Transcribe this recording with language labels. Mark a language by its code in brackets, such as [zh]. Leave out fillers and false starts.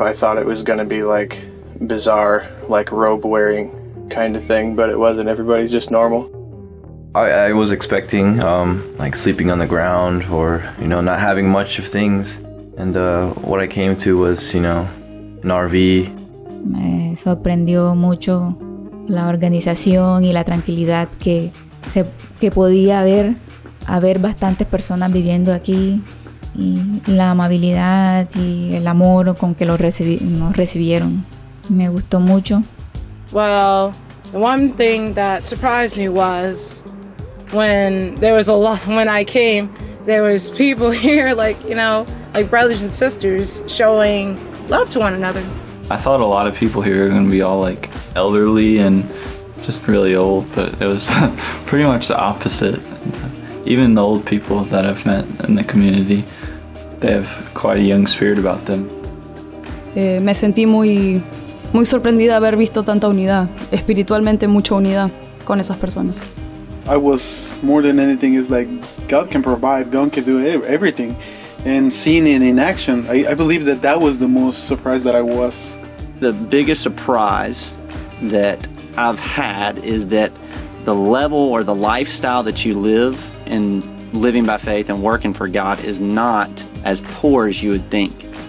[en] I thought it was going to be like bizarre, like robe wearing kind of thing, but it wasn't. Everybody's just normal. I was expecting like sleeping on the ground or, you know, not having much of things. And what I came to was, you know, an RV. [es] Me sorprendió mucho la organización y la tranquilidad que podía haber bastantes personas viviendo aquí y la amabilidad y el amor con que nos recibieron. Me gustó mucho. [en] Well, the one thing that surprised me was when I came, there was people here, like, you know, like brothers and sisters showing love to one another. I thought a lot of people here are going to be all like elderly and just really old, but it was pretty much the opposite. Even the old people that I've met in the community, they have quite a young spirit about them. [es] Me sentí muy sorprendida haber visto tanta unidad, espiritualmente mucha unidad con esas personas. [en] I was more than anything is like God can provide, God can do everything. And seeing it in action, I believe that was the most surprised that I was. The biggest surprise that I've had is that the level or the lifestyle that you live in living by faith and working for God is not as poor as you would think.